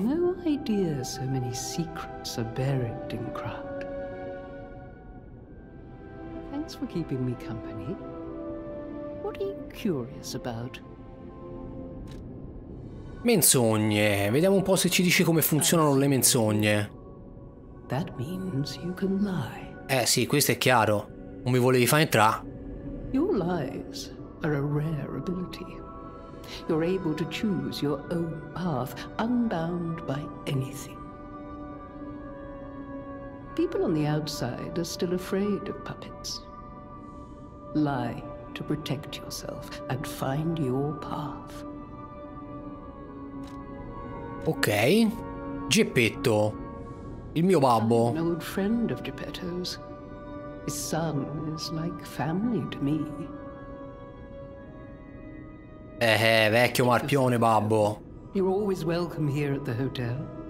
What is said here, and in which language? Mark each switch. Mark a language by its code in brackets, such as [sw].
[en] No idea so many secrets are buried in Krat. Thanks for keeping me company. What are you curious about? [it] Menzogne. Vediamo un po' se ci dice come funzionano le menzogne. [en] That means you can lie. [it] Eh sì, questo è chiaro. Non mi volevi far entrare? [en] Your lies are a rare ability. You're able to choose your own path, unbound by anything. People on the outside are still afraid of puppets. Lie to protect yourself and find your path. [it] Ok, Geppetto, il mio babbo. [en] An old friend of Geppetto's. His son is like family to me. [it] Vecchio marpione, babbo. [en] You're always welcome here at the hotel.